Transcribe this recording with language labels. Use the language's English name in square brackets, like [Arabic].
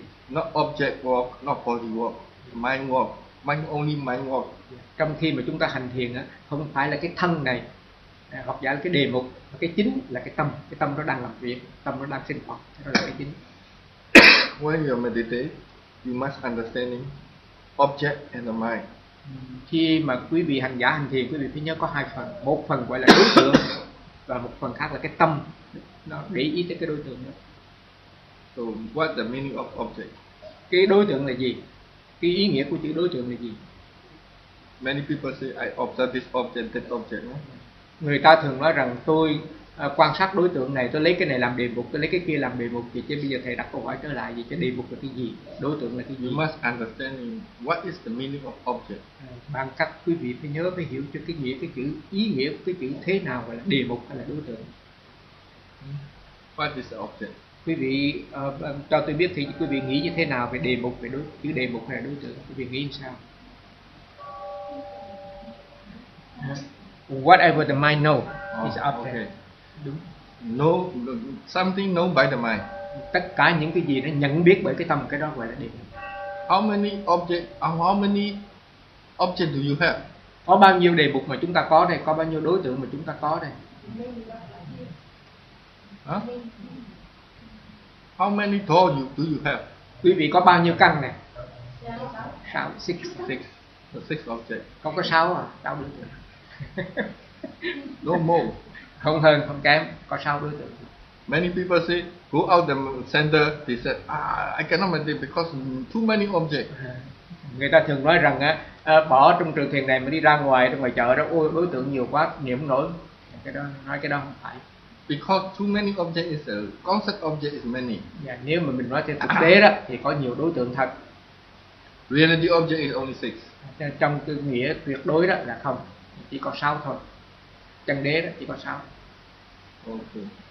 [English] Not object work, not body work, mind work. mind only mind work. [Vietnamese] Trong khi mà chúng ta hành thiền á, không phải là cái thân này hoặc giả là cái đề mục, cái chính là cái tâm nó đang làm việc, tâm nó đang sinh hoạt, đó là cái chính. [English] When you meditate, you must understanding object and the mind. [Vietnamese] Khi mà quý vị hành giả hành thiền, quý vị phải nhớ có hai phần, một phần gọi là đối tượng và một phần khác là cái tâm, nó để ý tới cái đối tượng đó. [English] So what the meaning of object? [Vietnamese] Cái đối tượng là gì? Cái ý nghĩa của chữ đối tượng là gì? Many people say I observe this object, that object. Người ta thường nói rằng tôi quan sát đối tượng này, tôi lấy cái này làm đề mục, tôi lấy cái kia làm đề mục. Vậy chứ bây giờ thầy đặt câu hỏi trở lại gì? Cái đề mục là cái gì? Đối tượng là cái gì? [English] You must understand what is the meaning of object. [Vietnamese] Bằng cách quý vị phải nhớ, phải hiểu cho cái nghĩa, cái chữ, ý nghĩa của cái chữ thế nào gọi là đề mục hay là đối tượng. [English] What is the object? [Vietnamese] Quý vị cho tôi biết thì quý vị nghĩ như thế nào về đề mục, về đối, chữ đề mục hay là đối tượng? Quý vị nghĩ như sao? [English] Whatever the mind know is object. Okay. Know something know by the mind. [Vietnamese] Tất cả những cái gì nó nhận biết bởi cái tâm, cái đó gọi là đề mục. [English] How many object do you have? [Vietnamese] Có bao nhiêu đề mục mà chúng ta có đây? Có bao nhiêu đối tượng mà chúng ta có đây? [English] How many thoughts do you have? [Vietnamese] Quý vị có bao nhiêu căn này? [English] Six objects. [Vietnamese] Không có sáu à? Sáu đối tượng. [English] No more. [Vietnamese] Không hơn, không kém. Có sáu đối tượng. [English] Many people say, go out the center, they said, I cannot meditate because too many objects. [Vietnamese] Người ta thường nói rằng, bỏ trong trường thiền này mà đi ra ngoài, trong ngoài chợ đó, ôi đối tượng nhiều quá, niệm nổi. Cái đó, nói cái đó không phải. [English] Because too many objects is a concept object is many. [Vietnamese] Yeah, nếu mà mình nói trên thực tế đó thì có nhiều đối tượng thật. [English] Reality object is only six. [Vietnamese] Trong cái nghĩa tuyệt đối đó là không, chỉ có sáu thôi. Chân đế đó chỉ có sáu. [English] Okay.